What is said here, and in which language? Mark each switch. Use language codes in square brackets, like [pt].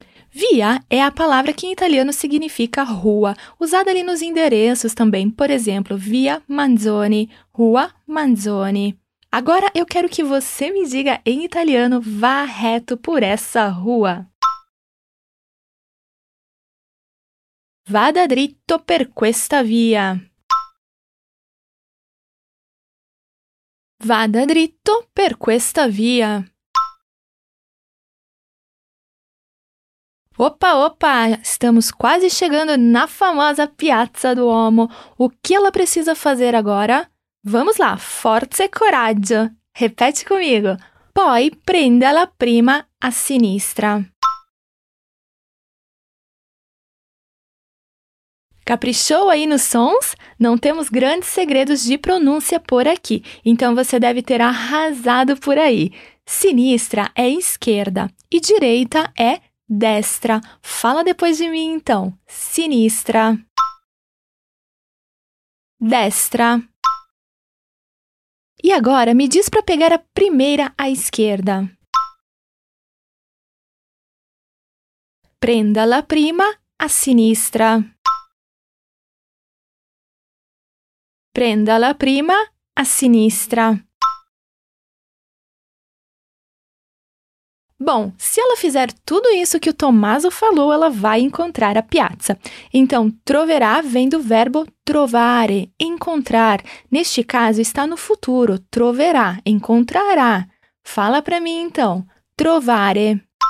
[pt] Via é a palavra que em italiano significa rua, usada ali nos endereços também, por exemplo, via Manzoni, rua Manzoni. Agora eu quero que você me diga em italiano, vá reto por essa rua. [it] Vada dritto per questa via. Vada dritto per questa via. [pt] Opa, opa! Estamos quase chegando na famosa Piazza Duomo. O que ela precisa fazer agora? Vamos lá, [it] forza e coraggio. [pt] Repete comigo. [it] Poi prenda la prima a sinistra. [pt] Caprichou aí nos sons? Não temos grandes segredos de pronúncia por aqui, então você deve ter arrasado por aí. Sinistra é esquerda e direita é destra. Fala depois de mim, então. Sinistra. [it] Destra. [pt] E agora me diz para pegar a primeira à esquerda. [it] Prenda la prima a sinistra. Prenda la prima a sinistra. [pt] Bom, se ela fizer tudo isso que o Tommaso falou, ela vai encontrar a piazza. Então, troverá vem do verbo trovare, encontrar. Neste caso, está no futuro. Troverá, encontrará. Fala para mim, então. Trovare.